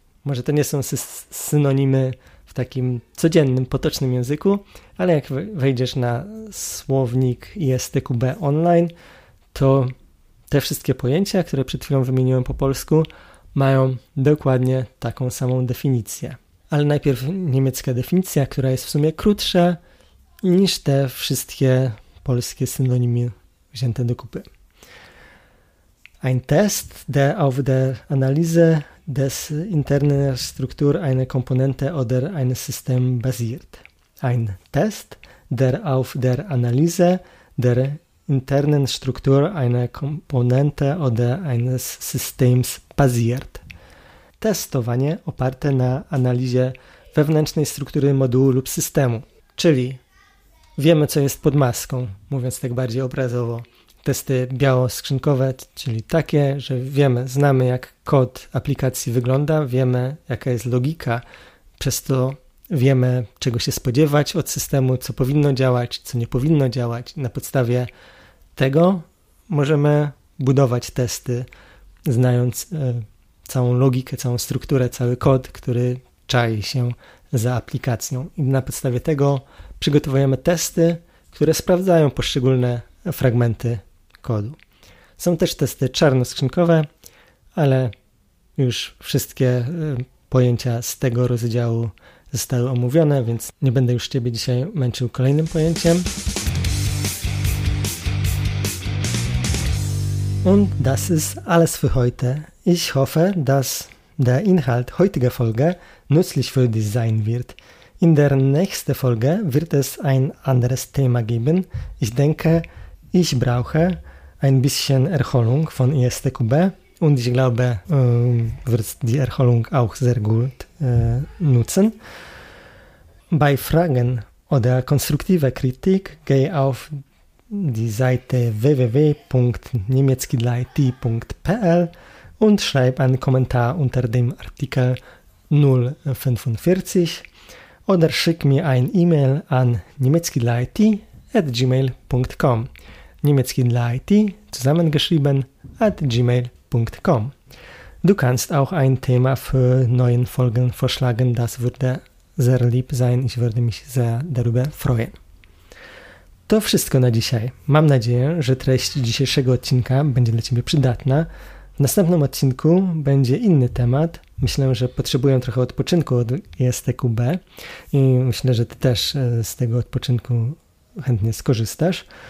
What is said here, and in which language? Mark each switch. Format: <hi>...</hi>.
<pl>Może to nie są synonimy w takim codziennym, potocznym języku, ale jak wejdziesz na słownik ISTQB online, to te wszystkie pojęcia, które przed chwilą wymieniłem po polsku, mają dokładnie taką samą definicję. Ale najpierw niemiecka definicja, która jest w sumie krótsza niż te wszystkie polskie synonimy wzięte do kupy.</pl> <de>Ein Test, der auf der Analyse des internen Struktur einer Komponente oder eines Systems basiert. Ein Test, der auf der Analyse der internen Struktur einer Komponente oder eines Systems basiert.</de> <pl>Testowanie oparte na analizie wewnętrznej struktury modułu lub systemu. Czyli wiemy, co jest pod maską, mówiąc tak bardziej obrazowo. Testy białoskrzynkowe, czyli takie, że wiemy, znamy, jak kod aplikacji wygląda, wiemy, jaka jest logika, przez to wiemy, czego się spodziewać od systemu, co powinno działać, co nie powinno działać. Na podstawie tego możemy budować testy, znając całą logikę, całą strukturę, cały kod, który czai się za aplikacją. I na podstawie tego przygotowujemy testy, które sprawdzają poszczególne fragmenty kodu. Są też testy czarnoskrzynkowe, ale już wszystkie pojęcia z tego rozdziału zostały omówione, więc nie będę już Ciebie dzisiaj męczył kolejnym pojęciem.</pl> <de>Und das ist alles für heute. Ich hoffe, dass der Inhalt heutiger Folge nützlich für dich sein wird. In der nächsten Folge wird es ein anderes Thema geben. Ich denke, ich brauche ein bisschen Erholung von ISTQB und ich glaube, wird die Erholung auch sehr gut nutzen. Bei Fragen oder konstruktiver Kritik gehe auf die Seite www.niemieckidlaiti.pl und schreib einen Kommentar unter dem Artikel 045 oder schick mir ein E-Mail an niemieckidlaiti@gmail.com. niemieckidlaiti zusammengeschrieben @gmail.com. Du kannst auch ein Thema für neue Folgen vorschlagen, das würde sehr lieb sein, ich würde mich sehr darüber freuen.</de> <pl>To wszystko na dzisiaj. Mam nadzieję, że treść dzisiejszego odcinka będzie dla Ciebie przydatna. W następnym odcinku będzie inny temat. Myślę, że potrzebuję trochę odpoczynku od ISTQB i myślę, że Ty też z tego odpoczynku chętnie skorzystasz.</pl>